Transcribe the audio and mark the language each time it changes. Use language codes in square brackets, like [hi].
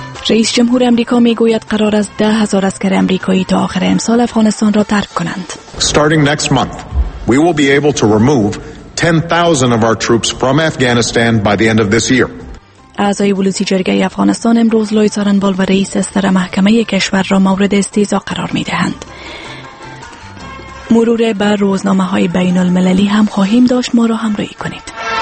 [fa] رئیس جمهور آمریکا میگوید قرار است 10,000 عسکر آمریکایی تا آخر امسال افغانستان را ترک کنند. [en] Starting next month, we will be able to remove 10,000 of our troops from Afghanistan by the end of this year. [fa] اعضای ولسی جرگه افغانستان امروز لوی سارنبال و رئیس ستر محکمه کشور را مورد استیضاح قرار می دهند. مرور بر روزنامه های بین المللی هم خواهیم داشت. ما را همراهی کنید.